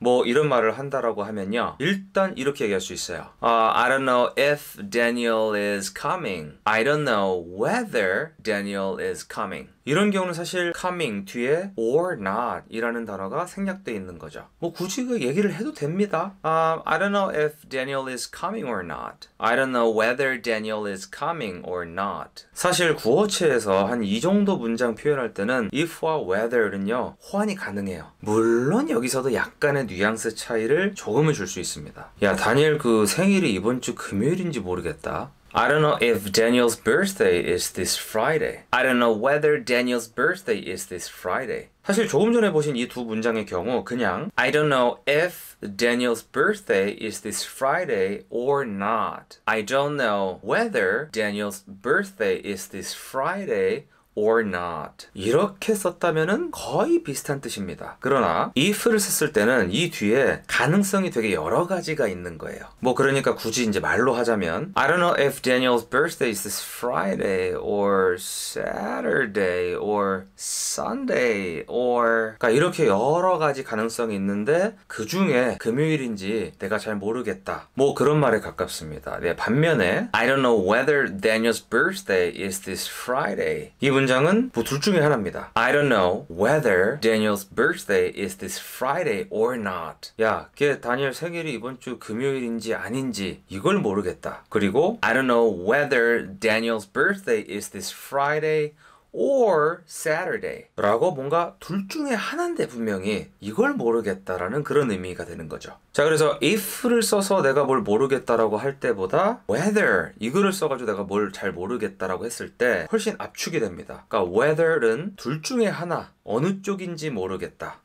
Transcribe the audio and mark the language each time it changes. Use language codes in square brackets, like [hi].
[ko] 뭐 이런 말을 한다라고 하면요. 일단 이렇게 얘기할 수 있어요. [en] I don't know if Daniel is coming. I don't know whether Daniel is coming. [ko] 이런 경우는 사실 coming 뒤에 [en] or not [ko] 이라는 단어가 생략되어 있는 거죠. 뭐 굳이 그 얘기를 해도 됩니다. [en] I don't know if Daniel is coming or not. I don't know whether Daniel is coming or not. [ko] 사실 구어체에서 한이 정도 문장 표현할 때는 if와 whether는요, 호환이 가능해요. 물론 여기서도 약간의 뉘앙스 차이를 조금은 줄수 있습니다. 야, 다니엘 그 생일이 이번 주 금요일인지 모르겠다. [en] I don't know if Daniel's birthday is this Friday. I don't know whether Daniel's birthday is this Friday. [ko] 사실 조금 전에 보신 이두 문장의 경우 그냥 [en] I don't know if Daniel's birthday is this Friday or not. I don't know whether Daniel's birthday is this Friday or not. [ko] 이렇게 썼다면은 거의 비슷한 뜻입니다. 그러나 if를 썼을 때는 이 뒤에 가능성이 되게 여러 가지가 있는 거예요. [en] 뭐 그러니까 굳이 이제 말로 하자면 I don't know if Daniel's birthday is this Friday or Saturday or Sunday or [ko] 그러니까 이렇게 여러 가지 가능성이 있는데 그중에 금요일인지 내가 잘 모르겠다. 뭐 그런 말에 가깝습니다. 네, 반면에 [en] I don't know whether Daniel's birthday is this Friday. [ko] 이 문장 은뭐둘 중에 하나입니다. [en] I don't know whether Daniel's birthday is this Friday or not. [ko] 야, 걔 다니엘 생일이 이번 주 금요일인지 아닌지 이걸 모르겠다. 그리고 [en] I don't know whether Daniel's birthday is this Friday or Saturday. [ko] 라고 뭔가 둘 중에 하나인데 분명히 이걸 모르겠다라는 그런 의미가 되는 거죠. 자, 그래서 if를 써서 내가 뭘 모르겠다라고 할 때보다 whether 이거를 써가지고 내가 뭘잘 모르겠다라고 했을 때 훨씬 압축이 됩니다. 그러니까 whether는 둘 중에 하나, 어느 쪽인지 모르겠다.